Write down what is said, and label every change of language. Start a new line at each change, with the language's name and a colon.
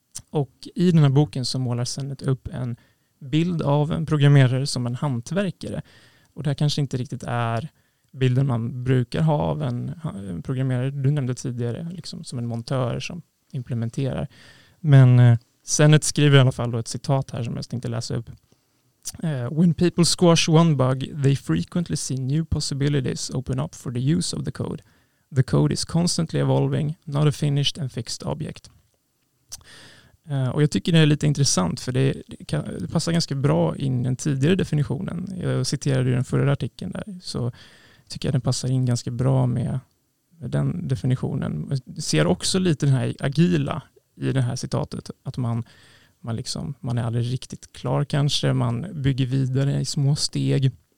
Swedish: Och i den här boken så målar Sennett upp en bild av en programmerare som en hantverkare. Och det här kanske inte riktigt är bilden man brukar ha av en programmerare. Du nämnde tidigare liksom som en montör som implementerar. Men Sennett skriver i alla fall då ett citat här som jag tänkte läsa upp.
English: When people squash one bug, they frequently see new possibilities open up for the use of the code. The code is constantly evolving, not a finished and fixed object.
Swedish: Och jag tycker det är lite intressant, för det passar ganska bra in den tidigare definitionen. Jag citerade ju den förra artikeln där, så tycker jag den passar in ganska bra med med den definitionen. Jag ser också lite den här agila i det här citatet, att man är aldrig riktigt klar kanske, man bygger vidare i små steg.